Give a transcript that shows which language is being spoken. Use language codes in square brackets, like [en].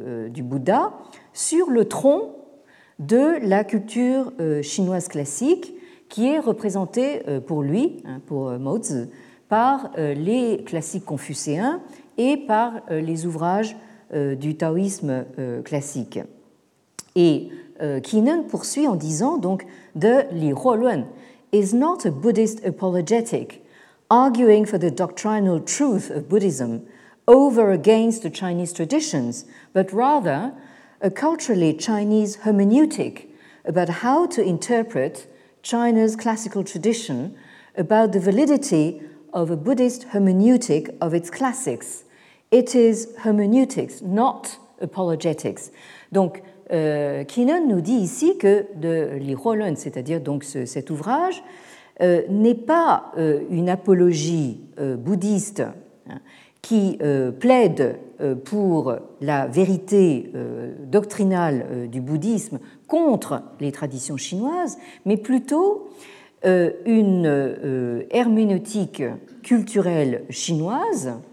[fr] du Bouddha, sur le tronc de la culture chinoise classique, qui est représentée pour lui, pour Mozi, par les classiques confucéens et par les ouvrages du taoïsme classique. Et Keenan poursuit en disant donc de [en] Li Huoluan is not a Buddhist apologetic arguing for the doctrinal truth of Buddhism over against the Chinese traditions, but rather a culturally Chinese hermeneutic about how to interpret China's classical tradition, about the validity of a Buddhist hermeneutic of its classics. It is hermeneutics, not apologetics. [fr] Donc, Keenan nous dit ici que de Li Huoluan, c'est-à-dire donc cet ouvrage, n'est pas une apologie bouddhiste qui plaide pour la vérité doctrinale du bouddhisme contre les traditions chinoises, mais plutôt une herméneutique culturelle chinoise